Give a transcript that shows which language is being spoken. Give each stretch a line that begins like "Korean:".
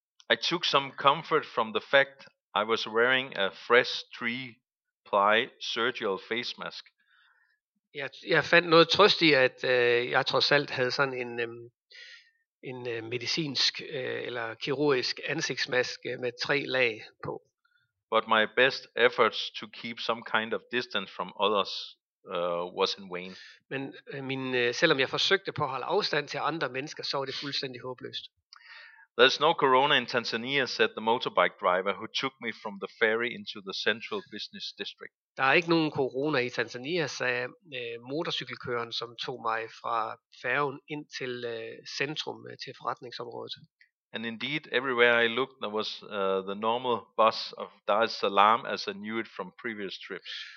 English: I took some comfort from the fact I was wearing a fresh 3-ply surgical face mask.
Danish: Jeg fandt noget trøst i, at jeg trods alt havde sådan en medicinsk eller kirurgisk ansigtsmaske med 3 lag på.
English: But my best efforts to keep some kind of distance from others was in vain.
Danish: Men selvom jeg forsøgte på at holde afstand til andre mennesker, så var det fuldstændig håbløst.
English: There's no corona in Tanzania, said the motorbike driver who took me from the ferry into the central business district.
Danish: Der er ikke nogen corona i Tanzania, sagde motorcykelkøren, som tog mig fra færgen ind til centrum til forretningsområdet.
English: And indeed, everywhere I looked, there was the normal bus of Dar es Salaam as I knew it from previous trips.